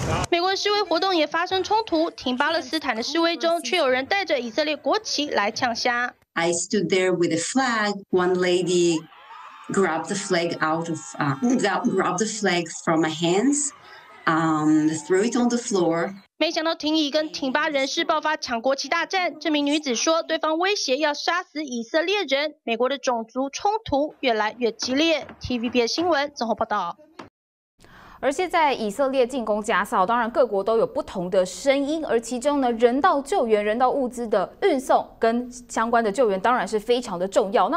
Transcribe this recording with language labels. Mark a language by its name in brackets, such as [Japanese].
[Chinese] 美国示威活动也发生冲突，挺巴勒斯坦的示威中，却有人带着以色列国旗来呛虾。 [English] I stood there with a flag. One lady grabbed the flag out of grabbed the flag from my hands. Threw it on the floor. [Chinese] 没想到挺以跟挺巴人士爆发抢国旗大战。这名女子说，对方威胁要杀死以色列人。美国的种族冲突越来越激烈。 TVBS 新闻综合报道。而现在以色列进攻加萨，当然各国都有不同的声音，而其中呢，人道救援、人道物资的运送跟相关的救援当然是非常的重要。